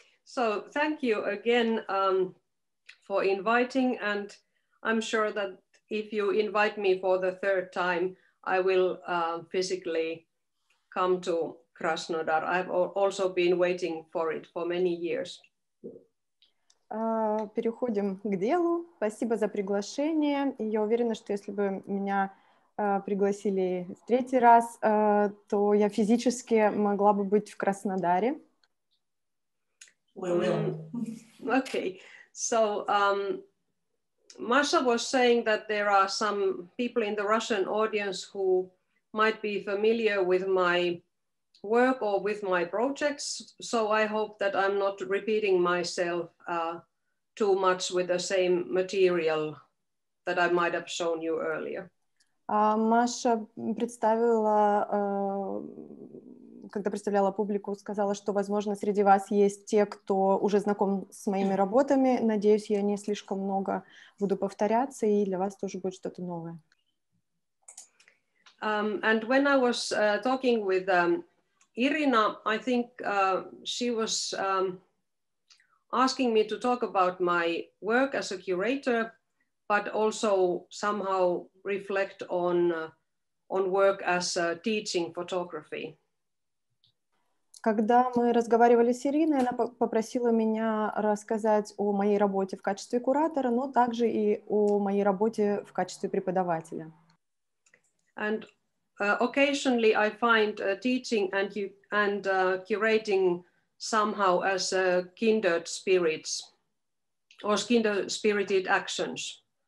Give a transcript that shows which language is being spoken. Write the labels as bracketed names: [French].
[English] So, thank you again for inviting, and I'm sure that if you invite me for the third time, I will physically come to Krasnodar. I've also been waiting for it for many years. [Russian] Переходим к делу. Спасибо за приглашение. И я уверена, что если бы меня пригласили в третий раз, то я физически могла бы быть в Краснодаре. [English] We will. Okay. So, Masha was saying that there are some people in the Russian audience who might be familiar with my work or with my projects. So I hope that I'm not repeating myself too much with the same material that I might have shown you earlier. [Russian] Masha представила, когда представляла публику, сказала, что, возможно, среди вас есть те, кто уже знаком с моими работами. Надеюсь, я не слишком много буду повторяться, и для вас тоже будет что-то новое. [English] And when I was talking with Irina, I think she was asking me to talk about my work as a curator, but also somehow reflect on work as teaching photography. [Russian] Когда мы разговаривали с Ириной, она попросила меня рассказать о моей работе в качестве куратора, но также и о моей работе в качестве преподавателя. [English] And occasionally I find teaching and you and curating somehow as kindred spirits or kindred spirited actions.